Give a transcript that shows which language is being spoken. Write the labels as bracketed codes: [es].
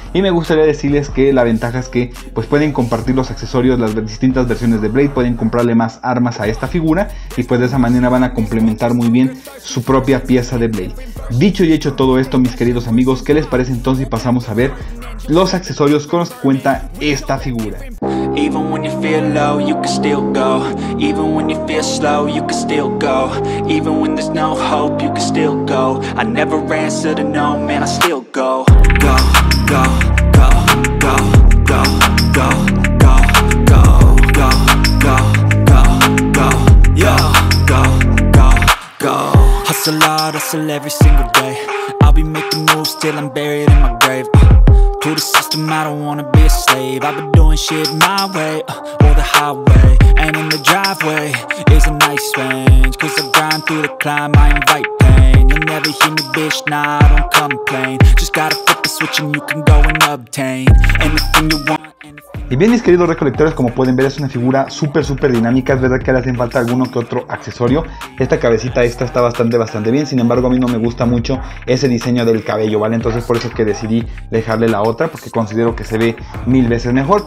[es] Y me gustaría decirles que la ventaja es que pues pueden compartir los accesorios, las distintas versiones de Blade, pueden comprarle más armas a esta figura y pues de esa manera van a complementar muy bien su propia pieza de Blade. Dicho y hecho todo esto, mis queridos amigos, ¿qué les parece entonces si pasamos a ver los accesorios con los que cuenta esta figura? [en] Even when you feel low, you can still go. Even when you feel slow, you can still go. Even when there's no hope, you can still go. I never answer to no, man, I still go. Go, go, go, go, go, go, go, go, go, go, go, go, yo, go, go, go. Hustle hard, hustle every single day. I'll be making moves till I'm buried in my grave. To the system, I don't wanna be a slave. I've been doing shit my way, or the highway. And in the driveway is a nice range. Cause I grind through the climb, I invite pain. You'll never hear me, bitch, nah, I don't complain. Just gotta flip the switch and you can go and obtain anything you want. [es] Y bien, mis queridos recolectores, como pueden ver, es una figura súper, súper dinámica. Es verdad que le hacen falta alguno que otro accesorio. Esta cabecita esta está bastante, bastante bien. Sin embargo, a mí no me gusta mucho ese diseño del cabello, ¿vale? Entonces, por eso es que decidí dejarle la otra, porque considero que se ve mil veces mejor.